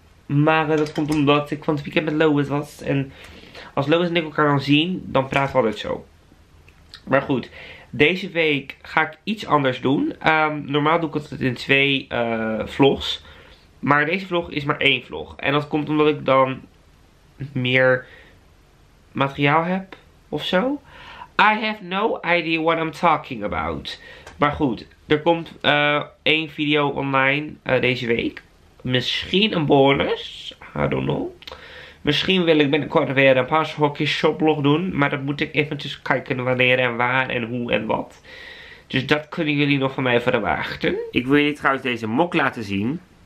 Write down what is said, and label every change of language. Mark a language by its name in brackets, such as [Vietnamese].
[Dutch] Maar dat komt omdat ik van het weekend met Lois was. En als Lois en ik elkaar dan zien, dan praten we altijd zo. Maar goed, deze week ga ik iets anders doen. Normaal doe ik het in twee vlogs. Maar deze vlog is maar één vlog. En dat komt omdat ik dan meer materiaal heb of zo. [English] I have no idea what I'm talking about. [Dutch] Maar goed, er komt één video online deze week. Misschien een bonus. [English] I don't know. [Dutch] Misschien wil ik binnenkort weer een paashokje shoplog doen. Maar dat moet ik eventjes kijken wanneer en waar en hoe en wat. Dus dat kunnen jullie nog van mij verwachten. Ik wil jullie trouwens deze mok laten zien.